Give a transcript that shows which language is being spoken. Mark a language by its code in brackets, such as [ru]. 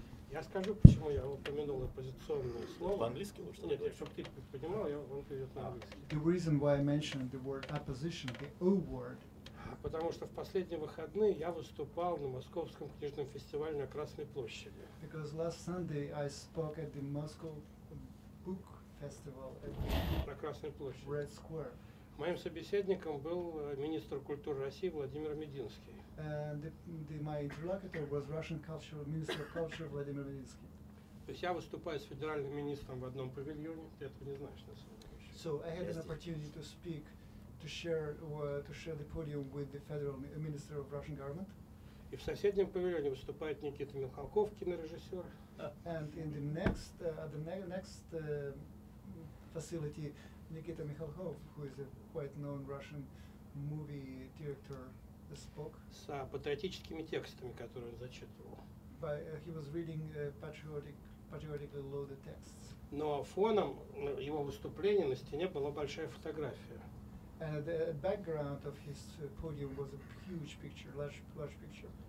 [ru] Я скажу, почему я упомянул оппозиционное слово. По-английски? Нет, чтобы ты понимал, я вам перевел на английский. [en] The reason why I mentioned the word opposition, the O word. [ru] Потому что в последние выходные я выступал на Московском книжном фестивале на Красной площади. [en] Because last Sunday I spoke at the Moscow Book Festival [ru] на Красной площади. [en] Red Square. [ru] Моим собеседником был министр культуры России Владимир Мединский. [en] My interlocutor was Russian culture minister of culture Владимир Мединский. [ru] То есть я выступаю с федеральным министром в одном павильоне, ты этого не знаешь на самом деле. [en] So I had an opportunity to speak to share the podium with the federal minister of Russian government. [ru] И в соседнем павильоне выступает Никита Михалков, кинорежиссер. [en] And in the next facility Никита Михалков, who is a quite known Russian movie director, spoke. [ru] С патриотическими текстами, которые он зачитывал. [en] He was reading patriotically loaded texts. [ru] Но фоном его выступления на стене была большая фотография. [en] And the background of his podium was a huge picture, large picture.